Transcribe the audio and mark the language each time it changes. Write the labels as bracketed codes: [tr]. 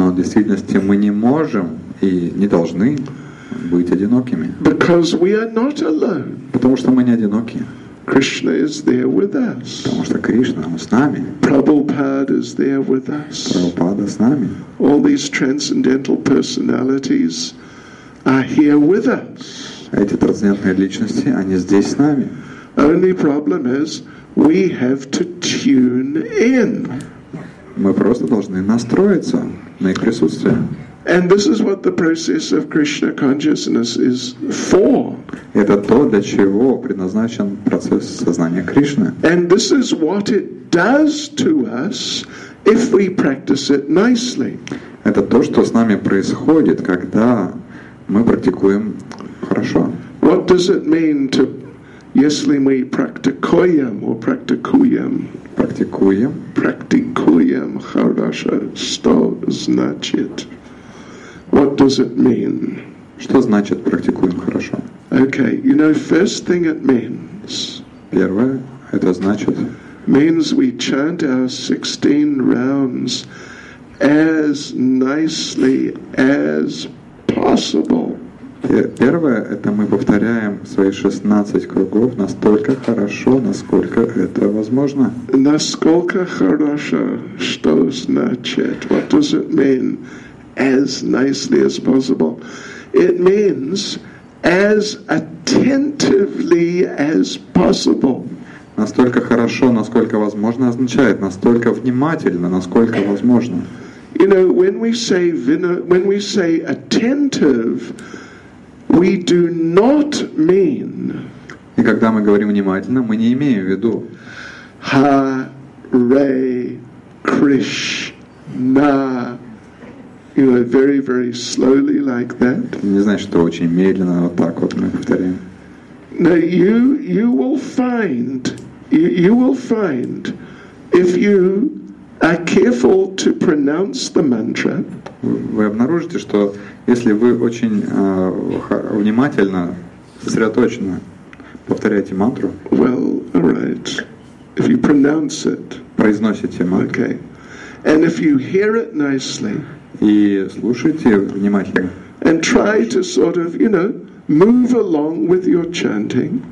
[ru] Но в действительности мы не можем и не должны быть одинокими. [en] Because we are not alone. [ru] Потому что мы не одиноки. [en] Krishna is there with us. [ru] Потому что Кришна с нами. [en] Prabhupada is there with us. [ru] Прабхупада с нами. [en] All these transcendental personalities are here with us. [ru] Эти трансцендентные личности, они здесь с нами. [en] Only problem is we have to tune in. [ru] Мы просто должны настроиться на их присутствие. [en] And this is what the process of Krishna consciousness is for. [ru] Это то, для чего предназначен процесс сознания Кришны. [en] And this is what it does to us if we practice it nicely. [ru] Это то, что с нами происходит, когда Мы практикуем хорошо. [en] What does it mean to, [ru] если мы практикуем [en] or практикуем? [ru] Практикуем. Практикуем. Хорошо. Что значит? [en] What does it mean? [ru] Что значит практикуем хорошо? [en] Okay, you know, first thing it means. [ru] Первое, это значит. [en] Means we chant our 16 rounds as nicely as possible. [ru] Первое, это мы повторяем свои 16 кругов настолько хорошо, насколько это возможно. Насколько хорошо, что значит? [en] What does it mean? As nicely as possible. It means as attentively as possible. [ru] Настолько хорошо, насколько возможно, означает настолько внимательно, насколько возможно. [en] You know, when we say attentive, we do not mean. [ru] И когда мы говорим внимательно, мы не имеем в виду. Hare Krishna. You know, very, very slowly like that. Не знаю, что очень медленно вот так вот мы повторяем. [en] Now you will find if you are careful to pronounce the mantra. [ru] Вы обнаружите, что если вы очень внимательно, сосредоточенно повторяете мантру. [en] Well, all right. If you pronounce it. [ru] Произносите мантру. [en] Okay. And if you hear it nicely. [ru] И слушайте внимательно. [en] And try to sort of, you know, move along with your chanting.